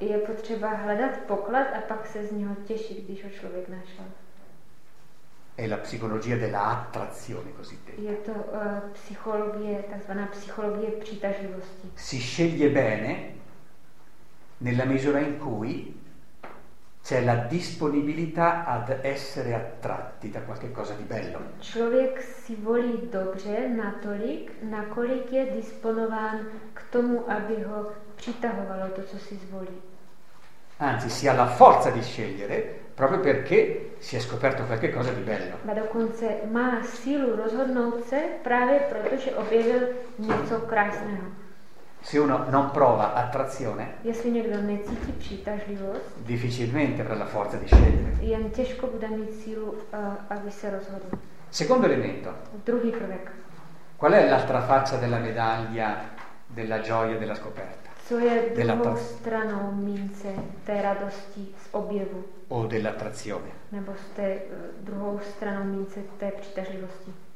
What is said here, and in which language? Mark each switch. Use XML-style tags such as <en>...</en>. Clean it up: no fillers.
<cs>Je potřeba hledat poklad a pak se z něho těšit, když ho člověk našel.</cs> <it>È la psicologia della attrazione cosiddetta.</it> <cs>Je to psychologie, takzvaná psychologie přitažlivosti.</cs> <it>Si sceglie bene nella misura in cui c'è la disponibilità ad essere attratti da qualche cosa di bello.</it> <cs>Člověk si volí dobře natolik, nakolik je disponován k tomu, aby ho přitahovalo to, co si zvolí.</cs> <it>Anzi, si ha la forza di scegliere proprio perché si è scoperto qualche cosa di bello.</it> <cs>Ma dokonce má sílu rozhodnout se právě proto, že objevil něco krásného.</cs> <it>Se uno non prova attrazione,</it> <cs>jestli někdo necítí přitažlivost,</cs> <it>difficilmente avrà la forza di scegliere.</it> <cs>Jen těžko bude mít sílu, aby se rozhodl.</cs> <it>Secondo elemento.</it> <cs>Druhý prvek.</cs> <it>Qual è l'altra faccia della medaglia della gioia della scoperta?</it> <cs>Co je druhou stranou mince té radosti z objevu?</cs> <it>O dell'attrazione.</it> <cs>Nebo z té druhou stranou mince té přitažlivosti.</cs>